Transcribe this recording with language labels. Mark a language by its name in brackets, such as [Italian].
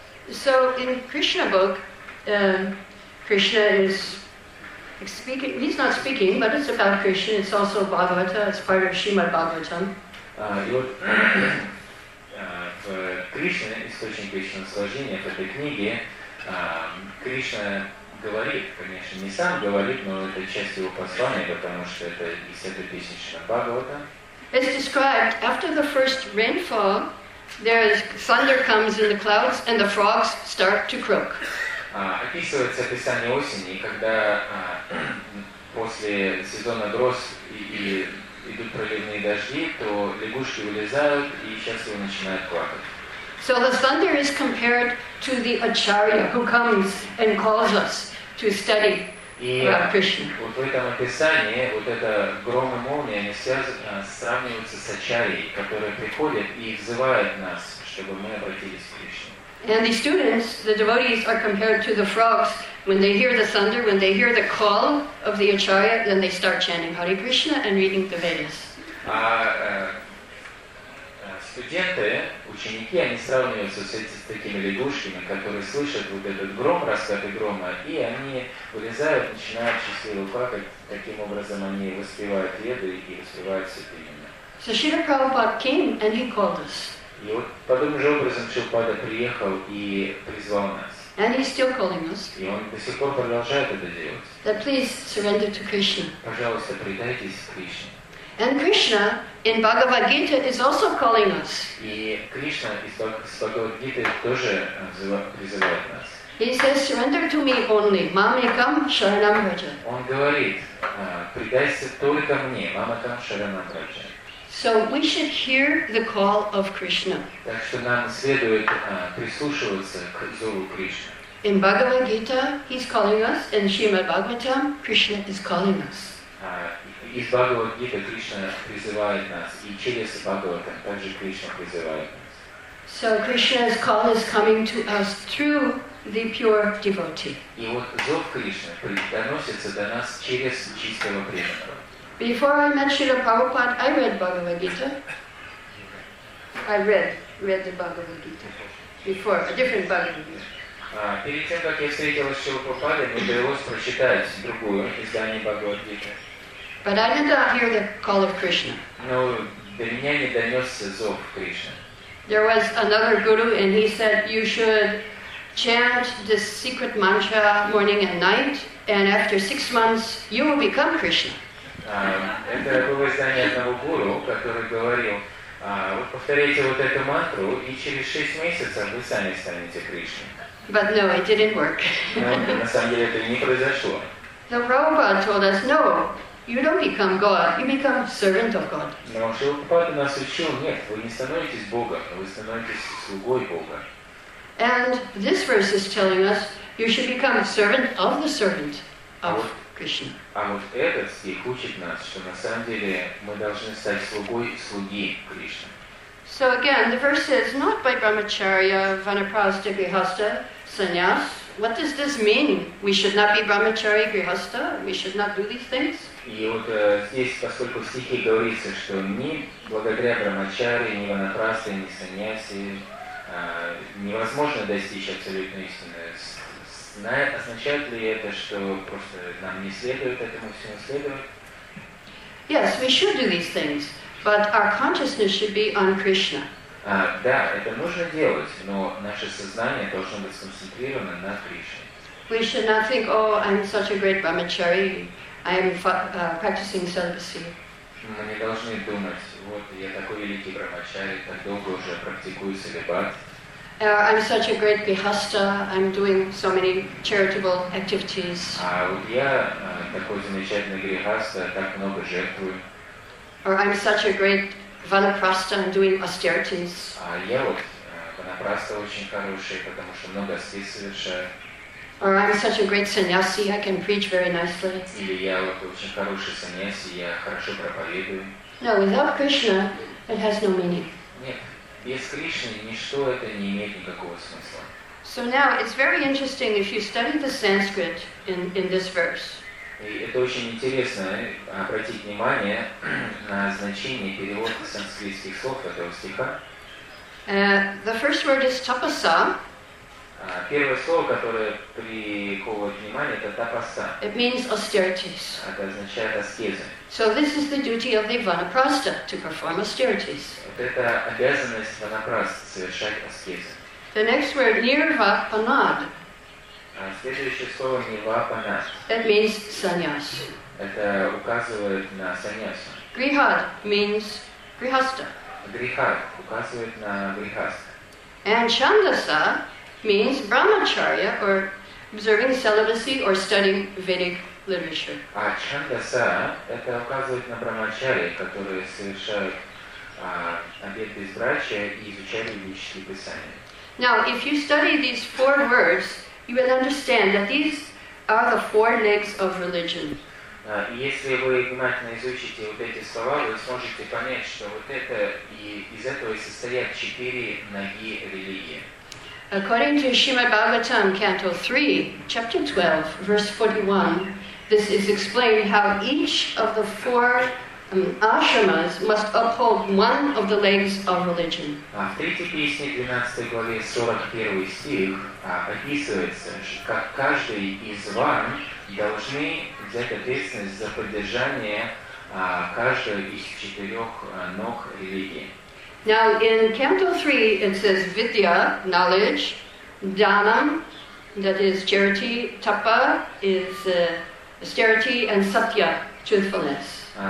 [English] So in Krishna book, Krishna is speaking. He's not speaking, but it's about Krishna. It's also Bhagavata. It's part of Srimad Bhagavatam. [Russian] В Кришне источник Кришна сложения в этой книге Кришна. Говорит, конечно, не сам говорит, но это часть его послания, потому что это из этой песни Шримад Бхагавата. [English] It's described after the first rainfall, there is thunder comes in the clouds and the frogs start to croak. [Russian] Описывается описание осени, когда после сезона гроз и идут проливные дожди, то лягушки вылезают и счастливо начинают квакать. [English] So the thunder is compared to the acharya who comes and calls us to study about Krishna. [Russian] Вот в этом описании вот это гром и молния, они сравниваются с ачарьей, которые приходят и взывают нас, чтобы мы обратились к Кришне. [English] And the students, the devotees, are compared to the frogs. When they hear the thunder, when they hear the call of the acharya, then they start chanting Hare Krishna and reading the Vedas. [Russian] Студенты, ученики, они сравниваются с такими лягушками, которые слышат вот этот гром, раскаты грома, и они вылезают, начинают счастливо плакать, таким образом они воспевают веды и воспевают святые имена. [English] So Srila Prabhupada came and he called us. [Russian] И вот подобным же образом Шилпада приехал и призвал нас. [English] And he's still calling us. [Russian] И он до сих пор продолжает это делать. [English] That please surrender to Krishna. [Russian] Пожалуйста, предайтесь Кришне. [English] And Krishna in Bhagavad Gita is also calling us. [Russian] И Кришна из Бхагавад Гиты тоже призывает нас. [English] He says, surrender to me only. [Sanskrit] Mamekam Sharanam Raja. [Russian] Он говорит, предайся только мне, [Sanskrit] Mamekam Sharanam Raja. [English] So we should hear the call of Krishna. [Russian] Так что нам следует прислушиваться к зову Кришны. [English] In Bhagavad Gita, he's calling us, and Srimad Bhagavatam, Krishna is calling us. [Russian] Из Бхагавад Гиты Кришна призывает нас, и через Бхагаватам также Кришна призывает нас. [English] So Krishna's call is coming to us through the pure devotee. [Russian] И вот зов Кришны доносится до нас через чистого преданного. [English] Before I met Srila Prabhupada, I read Bhagavad Gita. I read the Bhagavad Gita. Before, a different Bhagavad Gita. [Russian] Перед тем, как я встретилась с Шрилой Прабхупадой, мне довелось прочитать другое издание Бхагавад Гиты. [English] But I did not hear the call of Krishna. [Russian] Но до меня не донесся зов Кришны. [English] There was another guru and he said, you should chant this secret mantra morning and night and after 6 months, you will become Krishna. [Russian] Это было издание одного гуру, который говорил, вот повторяйте вот эту мантру, и через 6 месяцев вы сами станете Кришной. [English] But no, it didn't work. [Russian] Но на самом деле это не произошло. [English] The Prabhupada told us, no, you don't become God, you become servant of God. [Russian] Но Шрила Прабхупада нас учил, нет, вы не становитесь Богом, вы становитесь слугой Бога. [English] And this verse is telling us, you should become a servant of the servant of Krishna. [Russian] А вот этот стих учит нас, что на самом деле мы должны стать слугой слуги Кришны. [English] So again, the verse says, not by brahmacharya, vanaprastha, grihastha, sannyas. What does this mean? We should not be brahmacharya, grihastha? We should not do these things? [Russian] И вот здесь, поскольку в стихе говорится, что ни благодаря брахмачарье, ни ванапрасте, ни саньясе невозможно достичь абсолютной истины, означает ли это, что просто нам не следует этому всему следовать? [English] Yes, we should do these things, but our consciousness should be on Krishna. [Russian] Да, это нужно делать, но наше сознание должно быть сконцентрировано на Кришне. [English] We should not think, oh, I'm such a great brahmachari, I'm practicing celibacy. [Russian] Мы не должны думать, вот я такой великий брахмачари, так долго уже практикую целибат. [English] I'm such a great grihastha, I'm doing so many charitable activities. [Russian] Вот я такой замечательный грихастха, так много жертвую. [English] Or I'm such a great vanaprastha, I'm doing austerities. [Russian] Я вот ванапрастха очень хороший, потому что много аскез совершаю. [English] Or I'm such a great sannyasi, I can preach very nicely. [Russian] Или я вот очень хороший sannyasi, я хорошо проповедую. [English] No, without Krishna, it has no meaning. [Russian] Без Кришны ничто это не имеет никакого смысла. [English] So now it's very interesting if you study the Sanskrit in this verse. [Russian] И это очень интересно обратить внимание на значение перевода санскритских слов этого стиха. [English] The first word is tapasa. [Russian] Первое слово, которое приковывает внимание, это tapasa. [English] It means austerities. [Russian] Это означает аскезы. [English] So this is the duty of the vanaprastha to perform austerities. [Russian] Вот это обязанность ванапрастхи совершать аскезы. [English] The next word nirvapanad. [Russian] Следующее слово nirvapanad. [English] It means sannyas. [Russian] Это указывает на sannyas. [English] Grihad means grihastha. [Russian] Grihad указывает на grihastha. [English] And chandasa means brahmacharya or observing celibacy or studying Vedic literature. [Russian] А чандаса это указывает на брахмачарий, которые совершают обет безбрачия и изучают ведические писания. [English] Now, if you study these four words, you will understand that these are the four legs of religion. [Russian] Если вы внимательно изучите вот эти слова, вы сможете понять, что вот это и из этого и состоят четыре ноги религии. [English] According to Srimad Bhagavatam, Canto 3, Chapter 12, Verse 41, this is explained how each of the four ashramas must uphold one of the legs of religion. [Russian] В третьей песне, 12 главе, 41 стих, описывается, как каждый из ван должны взять ответственность за поддержание каждой из четырех ног религии. [English] Now in Canto 3 it says vidya, knowledge, dhanam, that is charity, tapa is austerity, and satya, truthfulness.